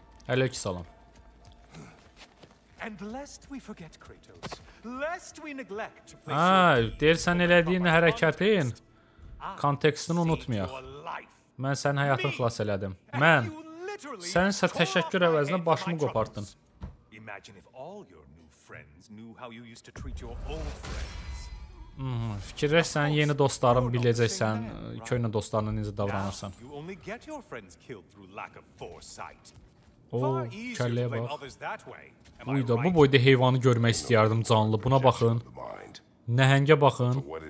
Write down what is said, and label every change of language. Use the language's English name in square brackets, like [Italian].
[Azerbaijani] Əleyküm salam. [English] And lest we forget Kratos, lest we neglect to place your... Haa, deyirsən elədiyin hərəkətin, kontekstini unutmayaq. [Azerbaijani] Mən sənin həyatını xilas elədim. Mən, sənin isə təşəkkür əvəzinə başımı qopartdın. [English] Imagine if all your new friends knew how you used to treat your old friends. [Azerbaijani] Fikirləşsən yeni dostların biləcəksən köhnə dostlarına necə davranırsan. [English] You only get your friends killed through lack of foresight. [Azerbaijani] Kəlləyə bax. Uyda, bu boyda heyvanı görmək istəyərdim canlı. Buna baxın. Nəhəngə baxın.